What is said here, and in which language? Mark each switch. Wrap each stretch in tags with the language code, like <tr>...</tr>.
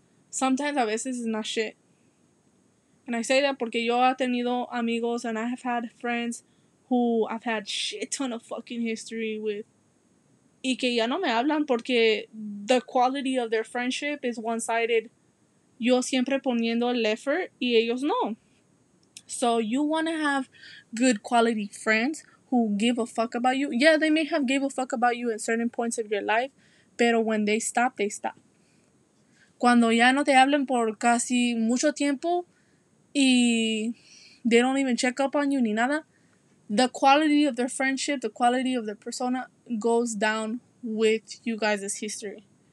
<en>Sometimes, a veces, is not shit. And I say that porque yo he tenido amigos and I have had friends who I've had shit ton of fucking history with. Y que ya no me hablan porque the quality of their friendship is one-sided.</en> <es>Yo siempre poniendo el effort y ellos no.</es> <en>So you want to have good quality friends who give a fuck about you. Yeah, they may have gave a fuck about you at certain points of your life, pero when they stop, they stop. Cuando ya no te hablan por casi mucho tiempo y they don't even check up on you ni nada, the quality of their friendship, the quality of their persona goes down with you guys' history.</en>